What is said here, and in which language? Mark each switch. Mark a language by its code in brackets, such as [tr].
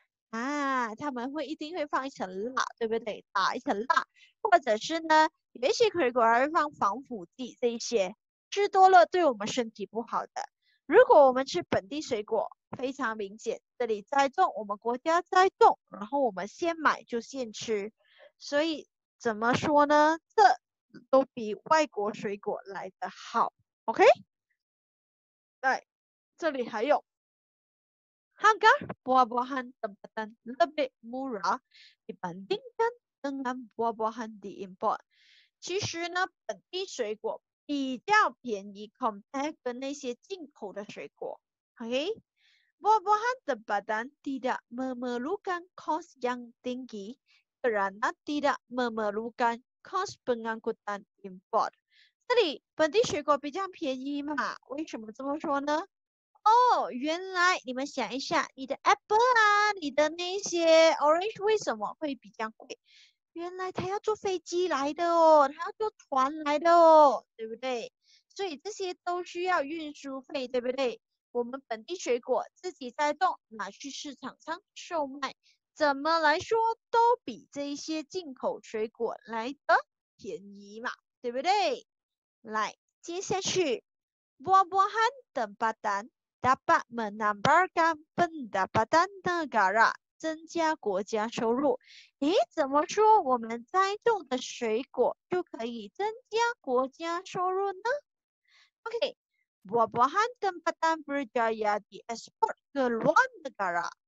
[zh] 啊，他们会一定会放一层蜡，对不对？打一层蜡，或者是呢有一些水果还会放防腐剂，这一些吃多了对我们身体不好的。如果我们吃本地水果，非常明显，这里栽种，我们国家栽种，然后我们先买就现吃，所以怎么说呢？这都比外国水果来得好 ，OK？对，这里还有 [ms] ，harga buah buahan tempatan lebih murah dibandingkan dengan buah buahan di import。 [zh] 其实呢，本地水果比较便宜 ， [en] compared [zh] 跟那些进口的水果 ，OK？ [ms] Buah buahan tempatan tidak memerlukan kos yang tinggi。 kerana tidak memerlukan kos pengangkutan import。 [zh] 这里本地水果比较便宜嘛，为什么这么说呢？哦，原来你们想一下，你的 apple 啊，你的那些 orange 为什么会比较贵？原来它要坐飞机来的哦，它要坐船来的哦，对不对？所以这些都需要运输费，对不对？我们本地水果自己栽种，拿去市场上售卖，怎么来说都比这些进口水果来得便宜嘛，对不对？来，接下去 [ms] buah buahan tempatan dapat menambahkan pendapatan negara， [zh] 增加国家收入。诶，怎么说我们栽种的水果就可以增加国家收入呢？ [ms] OK， buah buahan tempatan berjaya diekspor ke luar negara。